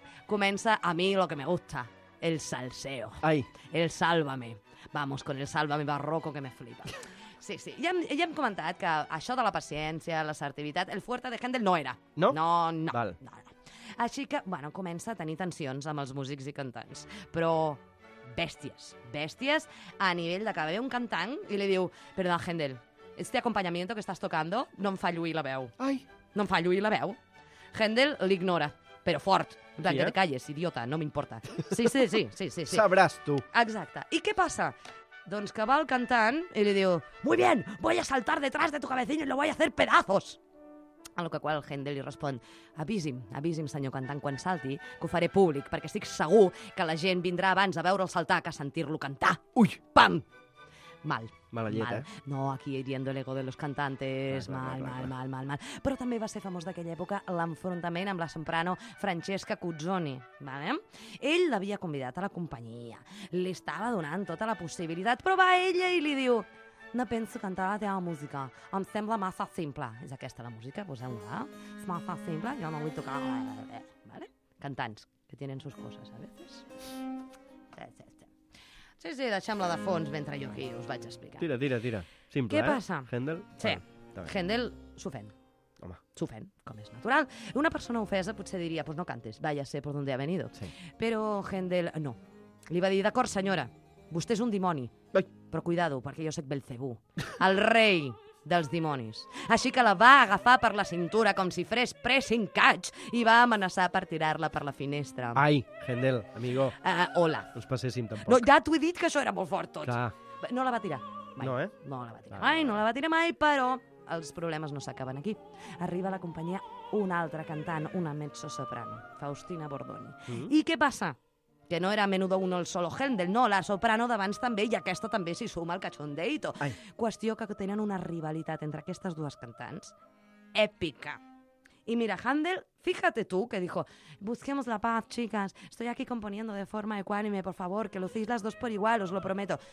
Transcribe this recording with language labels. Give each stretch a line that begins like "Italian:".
Spanish: comença a mi lo que me gusta, el salseo. Ai. El sálvame. Vamos, con el sálvame barroco que me flipa. Sí, sí.
Catalan: Ja hem comentat que això de la paciència, l'assertivitat, el fuerte de Händel no era. No? No. Val. No. Així que, bueno, comença a tenir tensions amb els músics i cantants. Però bèsties a nivell de que ve un cantant i li diu, perdona, Händel,
Spanish: este acompañamiento que estás tocando
Catalan: no em fa lluir la veu. Ai. No em fa lluir la veu. Händel l'ignora, però fort.
Spanish: Sí, que te calles, idiota,
Catalan: no m'importa.
Spanish: Sí.
Catalan: Sabràs tu. Exacte. I què passa? Doncs que va el cantant i li diu...
Spanish: Muy bien, voy a saltar detrás de tu cabecino y lo voy a hacer pedazos. A lo que
Catalan: qual Händel li respon... Avisi'm, senyor cantant, quan salti, que ho faré públic, perquè estic segur que la gent vindrà abans a veure'l saltar que a sentir-lo cantar. Ui! Pam! Mal. Mala llet, mal.
Spanish: No, aquí hiriendo el ego de los cantantes. Mal.
Catalan: Però també va ser famós d'aquella època l'enfrontament amb la soprano Francesca Cuzzoni. Vale? Ell l'havia convidat a la companyia. Li estava donant tota la possibilitat. Però va ella i li diu... No penso cantar la teva música. Em sembla massa simple. És aquesta la música? Poseu-la. És massa simple. Jo no vull tocar. Vale? Cantants, que tenen
Spanish: sus coses, a veces.
Catalan: Sí, deixem-la de fons mentre jo aquí us vaig explicar. Tira. Simple, què passa? Händel? Sí, Händel s'ofèn. Home. S'ofèn, com és natural. Una persona ofesa potser diria,
Spanish: pues no cantes, vaya sé por donde ha venido.
Catalan: Sí. Però Händel no. Li va dir, d'acord, senyora, vostè és un dimoni. Ai. Però cuidado, perquè jo soc Belcebú, el rei dels dimonis. Així que la va agafar per la cintura com si fes pressing catch i va amenaçar per tirar-la per la finestra.
Spanish: Ai, Händel, amigo. Hola.
Catalan: No us passéssim tampoc. No, ja t'ho he dit que això era molt fort tot. Clar. No la va tirar. Mai. No, eh? No la va tirar mai, però els problemes no s'acaben aquí. Arriba a la companyia un altre cantant, una mezzo-soprano, Faustina Bordoni. Mm-hmm. I què passa?
Spanish: Que no era a menudo uno el solo Händel, no,
Catalan: la soprano d'abans també, i aquesta també s'hi suma al cachondeito. Ai. Qüestió que tenen una rivalitat entre aquestes dues cantants èpica.
Spanish: Y mira, Händel, fíjate tú, que dijo, busquemos la paz, chicas, estoy aquí componiendo de forma ecuánime, por favor, que lucéis las dos por igual, os lo prometo.